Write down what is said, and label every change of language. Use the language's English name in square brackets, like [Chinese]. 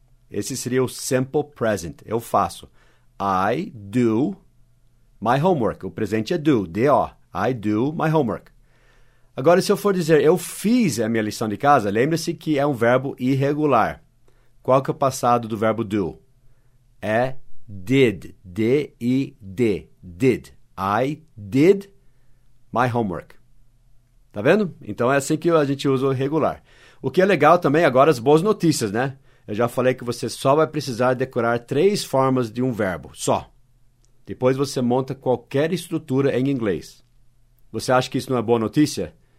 [Portuguese] Esse seria o [English] simple present, [Portuguese] eu faço. [English] I do my homework, [Portuguese] o presente é [English] do, D-O, I do my homework. [Portuguese] Agora, se eu for dizer eu fiz a minha lição de casa, lembre-se que é um verbo irregular. Qual que é o passado do verbo do? [English] É did, D-I-D, did. I did my homework. [Portuguese] Tá vendo? Então é assim que a gente usa o regular. O que é legal também agora as boas notícias, né? Eu já falei que você só vai precisar decorar três formas de um verbo, só. Depois você monta qualquer estrutura em inglês. Você acha que isso não é boa notícia?